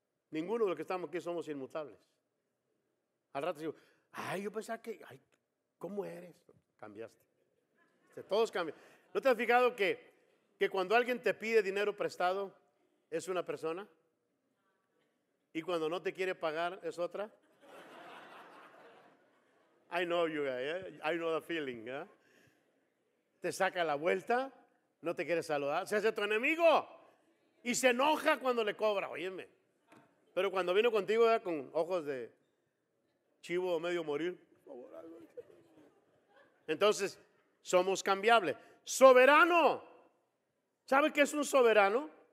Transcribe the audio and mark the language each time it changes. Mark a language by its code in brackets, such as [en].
[es] Ninguno de los que estamos aquí somos inmutables. Al rato digo, ay, yo pensaba que, ay, ¿cómo eres? Cambiaste, todos cambian. ¿No te has fijado que cuando alguien te pide dinero prestado es una persona? Y cuando no te quiere pagar es otra. [en] I know you guys, I know the feeling. [es] Te saca la vuelta, no te quiere saludar, se hace tu enemigo y se enoja cuando le cobra, óyeme. Pero cuando vino contigo, ¿verdad? Con ojos de chivo medio morir. Entonces, somos cambiables. Soberano, ¿sabe qué es un soberano?